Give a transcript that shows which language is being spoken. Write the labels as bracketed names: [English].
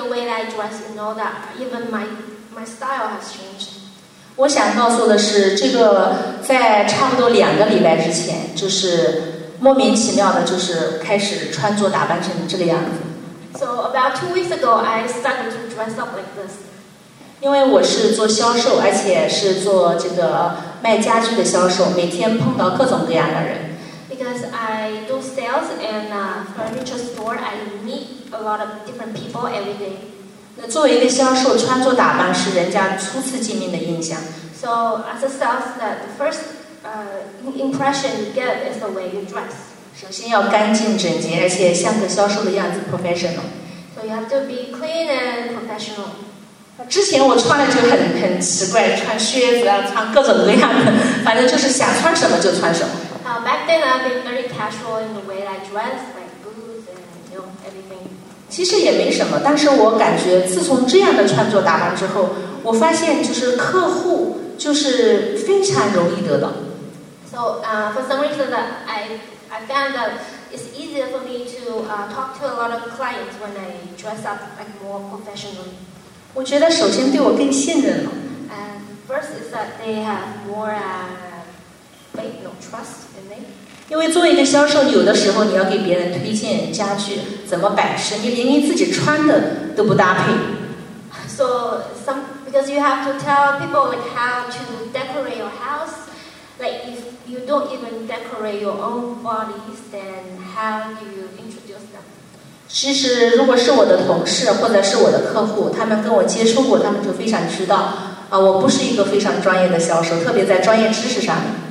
[English] I dress, you know that even my style has changed. [Chinese] 我想告诉的是，这个在差不多两个礼拜之前，就是莫名其妙的，就是开始穿着打扮成这个样子。 [English] So about 2 weeks ago, I started to dress up like this. [Chinese] 因为我是做销售，而且是做这个卖家具的销售，每天碰到各种各样的人。 [English] Because I do sales and furniture store, I meet a lot of different people every day. [Chinese] 那作为一个销售，穿着打扮是人家初次见面的印象。 [English] So as a sales, the first impression you get is the way you dress. [Chinese] 首先要干净整洁，而且像个销售的样子 ，professional. [English] So you have to be clean and professional. [Chinese] 之前我穿的就很奇怪，穿靴子啊，穿各种各样的，反正就是想穿什么就穿什么。 [English] Back then I've been very casual in the way I dress, like boots and you know everything. [Chinese] 其实也没什么，但是我感觉自从这样的穿着打扮之后，我发现就是客户就是非常容易得到。 [English] So for some reason I found that it's easier for me to talk to a lot of clients when I dress up like more professionally. [Chinese] 我觉得首先对我更信任了。 [English] First is that they have more faith, no trust in me. [Chinese] 因为作为一个销售，有的时候你要给别人推荐家具怎么摆设，你连你自己穿的都不搭配。 [English] So some because you have to tell people like how to decorate your house, like if you don't even decorate your own bodies, then how do you introduce them? [Chinese] 其实如果是我的同事或者是我的客户，他们跟我接触过，他们就非常知道我不是一个非常专业的销售，特别在专业知识上面。